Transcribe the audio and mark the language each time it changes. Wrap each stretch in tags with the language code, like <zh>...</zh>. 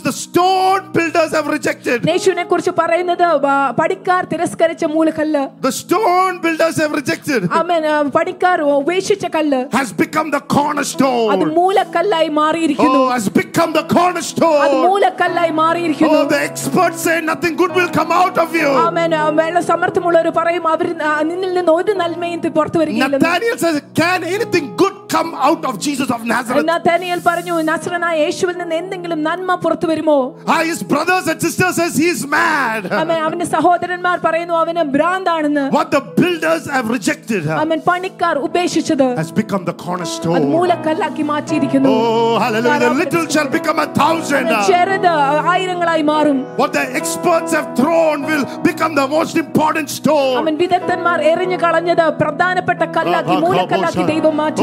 <en>The stone builders have rejected. The stone builders have rejected.</en> <ml>Amen. പടിക്കാർ ഉപേക്ഷിച്ച കല്ല്</ml> <en>has become the cornerstone.</en> <ml>അത് മൂലക്കല്ലായി മാറിയിരിക്കുന്നു.</ml> <en>Oh, has become the cornerstone.</en> <ml>അത് മൂലക്കല്ലായി മാറിയിരിക്കുന്നു.</ml> <en>Oh, the experts say nothing good will come out of you. Amen.</en> <ml>വേള സമർത്ഥമുള്ളവർ പറയും അവർ നിന്നിൽ നിന്ന് ഒരു നന്മയും പുറത്തു വരികയില്ല.</ml> <en>Nathaniel says, can anything good come out of Jesus of Nazareth?</en> <ml>Nathaniel പറഞ്ഞു നസറനായ യേശുവിൽ നിന്ന് എന്തെങ്കിലും നന്മ പുറത്തു വരുമോ?</ml> <en>His brothers and sisters says he is mad.</en> <ml>അമ്മേ അവന്റെ സഹോദരന്മാർ പറയുന്നു അവന് ഭ്രാന്താണെന്ന്.</ml> <en>What the builders have rejected.</en> <ml>അമ്മേ പണിക്കാർ ഉപേക്ഷിച്ചത്</ml> <en>has become the cornerstone.</en> <ml>അത് മൂലക്കല്ലാക്കി മാറ്റിയിരിക്കുന്നു.</ml> <en>Oh, hallelujah. The little shall become a thousand.</en> <ml>ചെറുത് ആയിരങ്ങളായി മാറും.</ml> <en>What the experts have thrown will become the most important stone.</en> <ml>അമ്മേ വിദഗ്ധന്മാർ എറിഞ്ഞു കളഞ്ഞത് പ്രധാനപ്പെട്ട കല്ലാക്കി മൂലക്കല്ലാക്കി ദൈവം</ml>